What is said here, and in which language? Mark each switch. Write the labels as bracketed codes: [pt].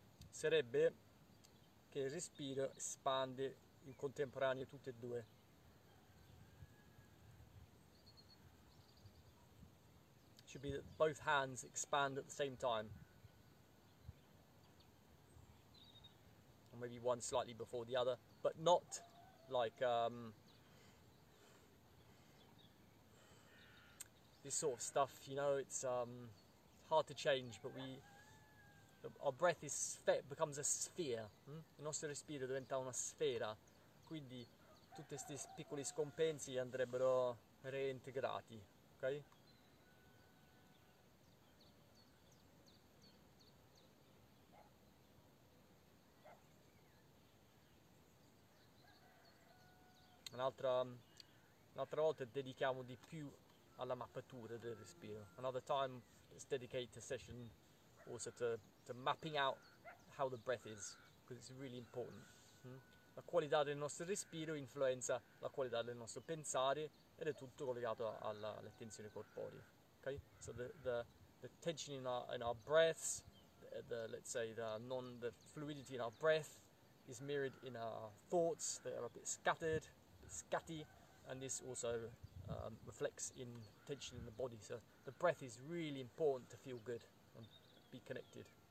[it] Sarebbe che il respiro espande in contemporanea tutte e due. [en] Should be that both hands expand at the same time. Or maybe one slightly before the other, but not like this sort of stuff, you know, it's hard to change, but we our breath is becomes a sphere, [it] Il nostro respiro diventa una sfera, quindi tutti questi piccoli scompensi andrebbero reintegrati, ok? Un'altra volta dedichiamo di più alla mappatura del respiro. [en] Another time, let's dedicate a session also to mapping out how the breath is, because it's really important. [it] La qualità del nostro respiro influenza la qualità del nostro pensare ed è tutto collegato alla tensione corporea. Ok? [en] So the tension in our breaths, let's say the fluidity in our breath is mirrored in our thoughts that are a bit scattered, a bit scatty, and this also reflects in tension in the body. So the breath is really important to feel good and be connected.